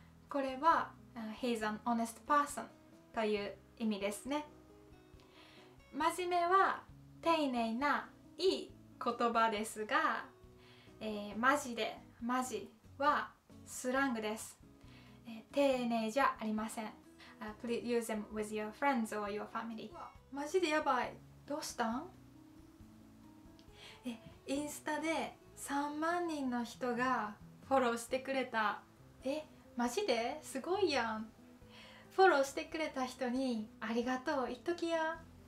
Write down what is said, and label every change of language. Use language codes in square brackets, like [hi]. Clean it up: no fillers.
[ja] これは [en] He's an honest person [ja] という意味ですね。真面目は丁寧ないい言葉ですが、マジで、マジはスラングです。丁寧じゃありません。 [en] Please use them with your friends or your family。 [ja] マジでやばい、どうしたん？インスタで3万人の人がフォローしてくれた。え、マジで？すごいやん。フォローしてくれた人にありがとう言っときや。